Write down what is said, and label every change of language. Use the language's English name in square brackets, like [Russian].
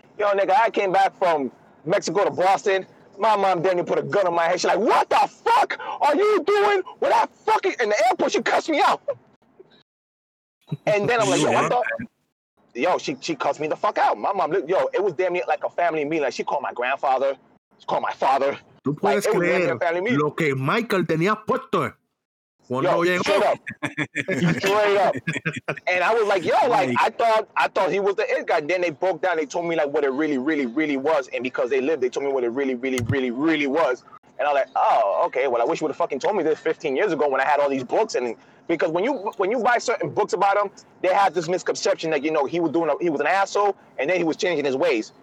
[English] You know, nigga, I came back from Mexico to Boston. My mom Daniel put a gun on my head. She's like, what the fuck are you doing with that fucking in the airport? She cussed me out. And then I'm like, she cussed me the fuck out. My mom, it was damn near like a family meeting. Like, she called my grandfather. She called my father. [Spanish] Tú puedes creer lo que Michael tenía puesto. [English] Straight up. And I was like, I thought he was the it guy. And then they broke down. They told me like what it really, really, really was. And because they lived, they told me what it really, really, really, really was. And I'm like, oh, okay. Well, I wish you would have fucking told me this 15 years ago when I had all these books. And because when you buy certain books about him, they have this misconception that, you know, he was an asshole, and then he was changing his ways.